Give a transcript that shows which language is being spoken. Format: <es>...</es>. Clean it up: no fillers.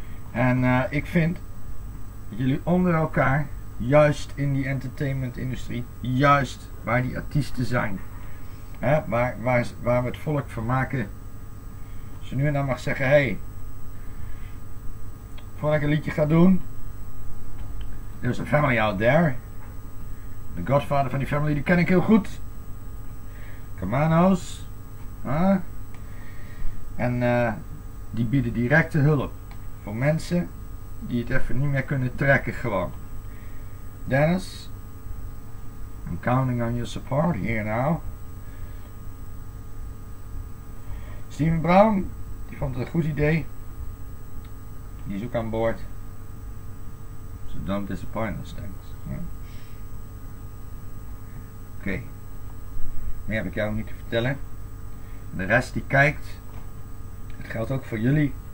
<nl>En ik vind dat jullie onder elkaar, juist in die entertainmentindustrie, juist waar die artiesten zijn, hè, waar we het volk vermaken, als je nu en dan mag zeggen, hey, voordat ik een liedje ga doen,</nl> <en>there's a family out there.</en> <nl>De godvader van die family, die ken ik heel goed. Camano's. Huh? En die bieden directe hulp voor mensen die het even niet meer kunnen trekken gewoon.</nl> <en>Dennis, I'm counting on your support here now.</en> <nl>Steven Brown, die vond het een goed idee. Die is ook aan boord.</nl> <en>So don't disappoint us, thanks.</en> <nl>Oké. Meer heb ik jou niet te vertellen. En de rest die kijkt. Het geldt ook voor jullie.</nl>